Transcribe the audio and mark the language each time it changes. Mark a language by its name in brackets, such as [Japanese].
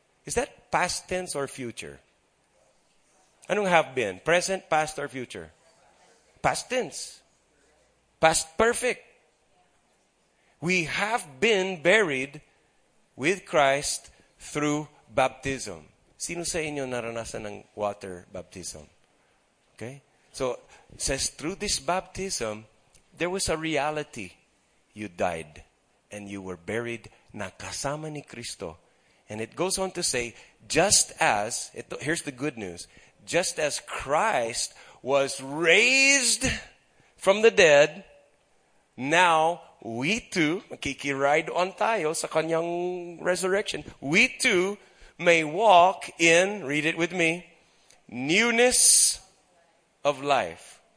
[English] Is that past tense or future? Anong have been? Present, past, or future? Past tense. Past perfect. We have been buried with Christ through baptism. [Filipino] Sino sa inyo naranasan ng water baptism? [English] Okay? So, it says through this baptism, there was a reality. You died and you were buried [Filipino] na kasama ni Kristo. [English] And it goes on to say, here's the good news, just as Christ was raised from the dead, now we too, [Filipino] makikiride on tayo sa kanyang resurrection, [English] we too may walk in, read it with me, newness of life.